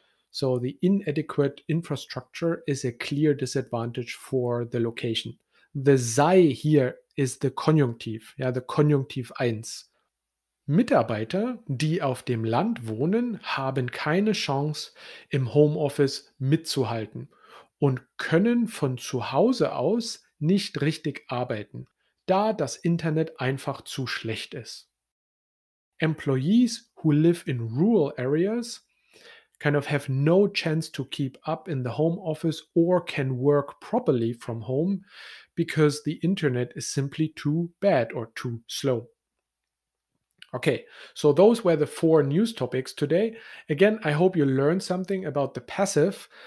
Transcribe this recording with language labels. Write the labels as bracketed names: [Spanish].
[English] So, the inadequate infrastructure is a clear disadvantage for the location. The sei here is the Konjunktiv, ja, the Konjunktiv 1. [German] Mitarbeiter, die auf dem Land wohnen, haben keine Chance, im Homeoffice mitzuhalten und können von zu Hause aus nicht richtig arbeiten, da das Internet einfach zu schlecht ist. [English] Employees who live in rural areas kind of have no chance to keep up in the home office or can work properly from home because the internet is simply too bad or too slow. Okay, so those were the four news topics today. Again, I hope you learned something about the passive.